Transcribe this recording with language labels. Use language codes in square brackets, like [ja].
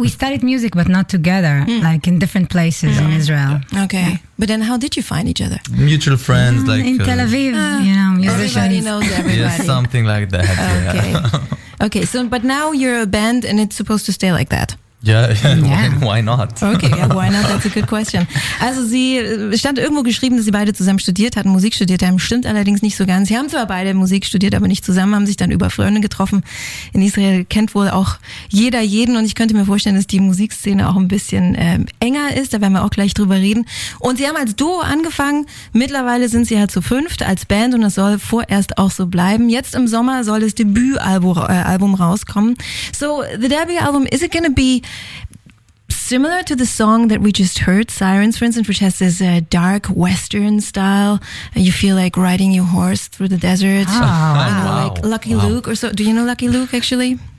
[en] We studied music, but not together, like in different places in Israel. Okay. Yeah. But then how did you find each other? Mutual friends. In Tel Aviv, you know, musicians. Everybody knows everybody. Yeah, something like that. Okay, so but now you're a band, and it's supposed to stay like that. Why not? Okay, yeah, why not? That's a good question. [de] Also sie stand irgendwo geschrieben, dass sie beide zusammen studiert hatten, Musik studiert haben. Stimmt allerdings nicht so ganz. Sie haben zwar beide Musik studiert, aber nicht zusammen, haben sich dann über Freunde getroffen. In Israel kennt wohl auch jeder jeden und ich könnte mir vorstellen, dass die Musikszene auch ein bisschen enger ist. Da werden wir auch gleich drüber reden. Und sie haben als Duo angefangen. Mittlerweile sind sie halt zu fünft als Band und das soll vorerst auch so bleiben. Jetzt im Sommer soll das Debütalbum rauskommen. [en] So, the debut album, is it gonna be similar to the song that we just heard, Sirens, for instance, which has this dark Western style, and you feel like riding your horse through the desert, like Lucky Luke or so. Do you know Lucky Luke, actually?